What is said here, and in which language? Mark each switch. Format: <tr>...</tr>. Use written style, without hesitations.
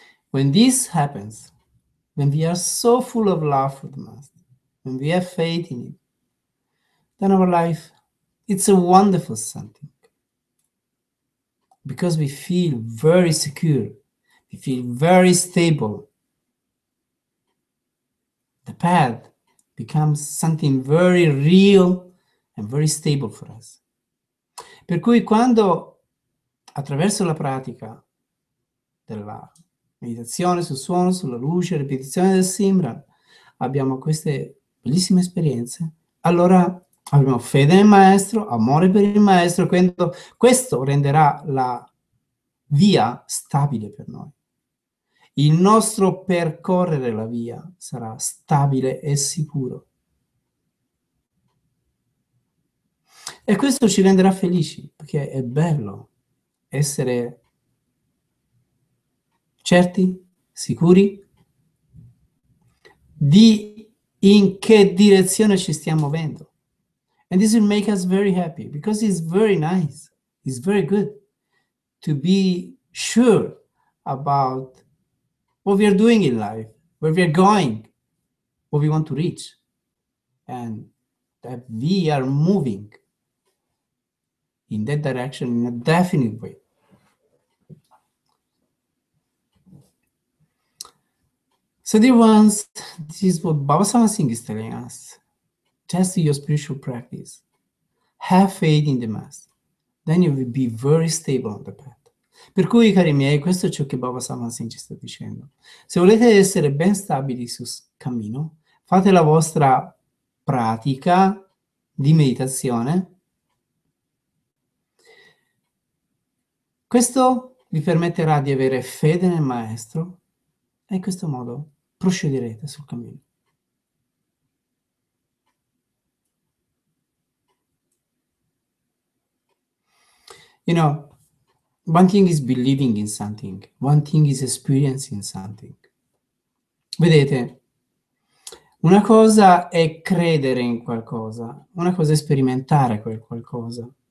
<en>When this happens, when we are so full of love for the master, when we have faith in him, then our life, it's a wonderful something. Because we feel very secure, we feel very stable. The path becomes something very real and very stable for us.</en> <it>Per cui quando attraverso la pratica della meditazione sul suono, sulla luce, ripetizione del Simran, abbiamo queste bellissime esperienze, allora abbiamo fede nel maestro, amore per il maestro, quando questo renderà la via stabile per noi. Il nostro percorrere la via sarà stabile e sicuro. E questo ci renderà felici, perché è bello essere certi, sicuri di in che direzione ci stiamo muovendo.</it> <en>And this will make us very happy, because it's very nice, it's very good to be sure about what we are doing in life, where we are going, what we want to reach, and that we are moving in that direction in a definite way. So dear ones, this is what Baba Sawan Singh is telling us. Test your spiritual practice. Have faith in the master. Then you will be very stable on the path.</en> <it>Per cui, cari miei, questo è ciò che Baba Sawan Singh ci sta dicendo. Se volete essere ben stabili sul cammino, fate la vostra pratica di meditazione. Questo vi permetterà di avere fede nel maestro e in questo modo procederete sul cammino.</it> <en>You know, one thing is believing in something, one thing is experiencing something.</en> <it>Vedete, una cosa è credere in qualcosa, una cosa è sperimentare quel qualcosa.</it>